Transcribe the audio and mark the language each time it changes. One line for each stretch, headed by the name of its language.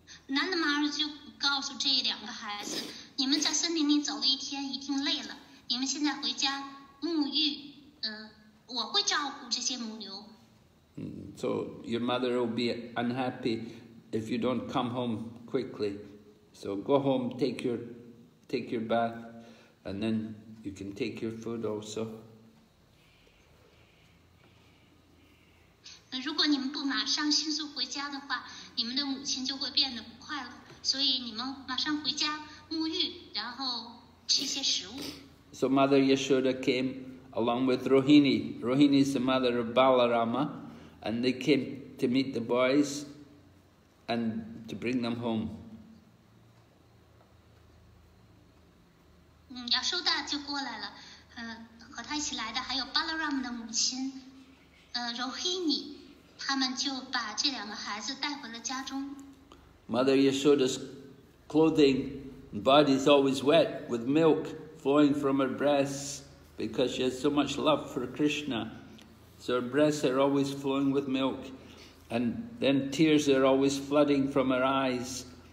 Chinese: Nanda Maharaj 就告诉这两个孩子，你们在森林里走了一天，一定累了。你们现在回家沐浴，我会照顾这些母牛。
English: So your mother will be unhappy if you don't come home quickly. So go home, take your bath, and then you can take your food also.
Chinese: 如果你们不马上迅速回家的话，你们的母亲就会变得不快乐。所以你们马上回家沐浴，然后吃一些食物。
English: So Mother Yashoda came along with Rohini. Rohini is the mother of Balarama, and they came to meet the boys and to bring them home.
Chinese: Yashoda 就过来了，和他一起来的还有 Balarama 的母亲，Rohini. 他们就把这两个孩子带回了家中。
English: Mother Yashoda's clothing and body is always wet with milk flowing from her breasts. because she has so much love for Krishna. So her breasts are always flowing with milk, and then tears are always flooding from her eyes.